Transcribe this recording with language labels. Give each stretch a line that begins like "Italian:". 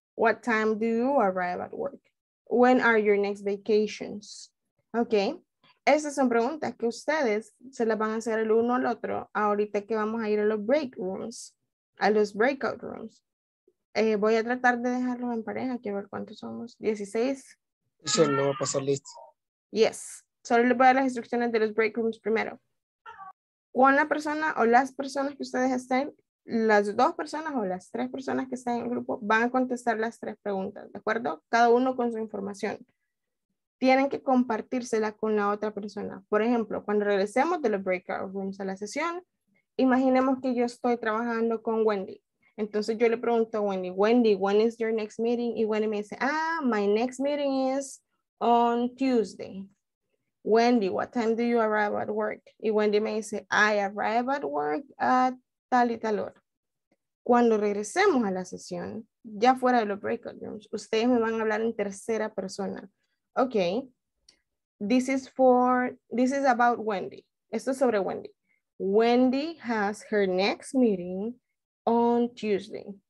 English: What time do you arrive at work? When are your next vacations? Okay.
Spanish: Esas son preguntas que ustedes se las van a hacer el uno al otro ahorita que vamos a ir a los break rooms, a los breakout rooms. Voy a tratar de dejarlos en pareja, quiero ver cuántos somos. 16. Eso lo va a pasar listo.
English: Yes.
Spanish: Solo les voy a dar las instrucciones de los break rooms primero. Con la persona o las personas que ustedes estén, las dos personas o las tres personas que estén en el grupo van a contestar las tres preguntas, ¿de acuerdo? Cada uno con su información. Tienen que compartírsela con la otra persona. Por ejemplo, cuando regresemos de los breakout rooms a la sesión, imaginemos que yo estoy trabajando con Wendy. Entonces yo le pregunto a Wendy,
English: Wendy, when is your next meeting?
Spanish: Y Wendy me dice,
English: ah, my next meeting is on Tuesday. Wendy, what time do you arrive at work?
Spanish: Y Wendy me dice,
English: I arrive at work at
Spanish: tal y tal hora. Cuando regresemos a la sesión, ya fuera de los breakout rooms, ustedes me van a hablar en tercera persona.
English: Okay, this is about Wendy.
Spanish: Esto es sobre Wendy.
English: Wendy has her next meeting on Tuesday.